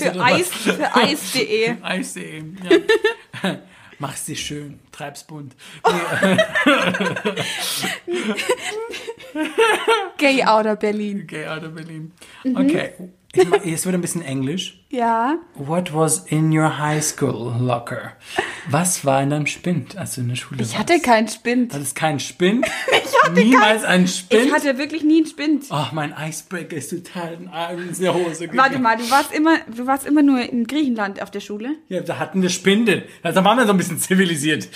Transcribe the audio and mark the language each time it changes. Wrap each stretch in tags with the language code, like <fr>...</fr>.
<de>Für Eis.de. Eis.de, ja. Mach's dir schön, treib's bunt.</de> <en>Gay out of Berlin. Gay out of Berlin.</en> <de>Okay, jetzt wird ein bisschen Englisch. Ja.</de> <en>What was in your high school locker?</en> <de>Was war in deinem Spind, als du in der Schule warst? Ich hatte keinen Spind. Das ist kein Spind? Ich hatte keinen. Niemals kein... einen Spind? Ich hatte wirklich nie einen Spind. Oh, mein Icebreaker ist total in der Hose gegangen. Warte mal, du warst immer nur in Griechenland auf der Schule? Ja, da hatten wir Spinde. Da waren wir so ein bisschen zivilisiert.</de>